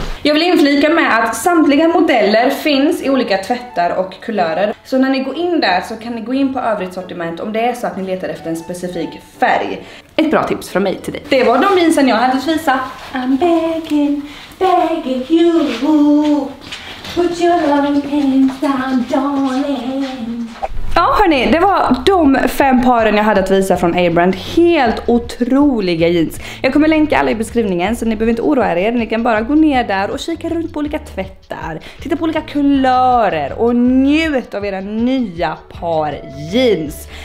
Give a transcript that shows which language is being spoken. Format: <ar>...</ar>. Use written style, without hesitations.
<sv>Jag vill inflika med att samtliga modeller finns i olika tvättar och kulörer. Så när ni går in där så kan ni gå in på övrigt sortiment om det är så att ni letar efter en specifik färg. Ett bra tips från mig till dig. Det var de jeansen jag hade att visa.</sv> <en>I'm begging, begging you. Put your loving hands down, darling.</en> <sv>Ja hörni, det var de 5 paren jag hade att visa från A-brand. Helt otroliga jeans. Jag kommer länka alla i beskrivningen så ni behöver inte oroa er. Ni kan bara gå ner där och kika runt på olika tvättar. Titta på olika kulörer och njut av era nya par jeans.</sv>